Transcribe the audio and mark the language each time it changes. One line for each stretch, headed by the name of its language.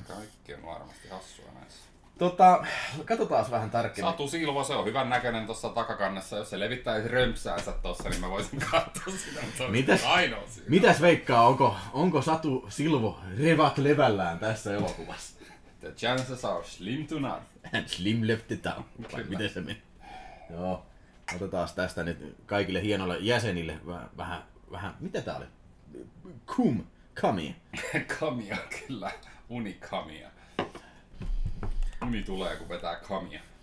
Finnish: Kaikki on varmasti hassua näissä. Katsotaan vähän tarkemmin. Satu Silvo, se on hyvän näköinen tuossa takakannassa. Jos se levittäisi römpsäänsä tuossa, niin mä voisin katsoa sitä. Mitäs, ainoa siinä. Mitäs veikkaa, onko Satu Silvo revat levällään tässä elokuvassa?
English: The chances are slim to none. And slim left it out.
Finnish: Vai miten se meni? Joo, otetaan tästä nyt kaikille hienoille jäsenille vähän. Mitä tää oli? Kamia. Kamia, kyllä. Unikamia. Uni tulee, kun vetää kamia.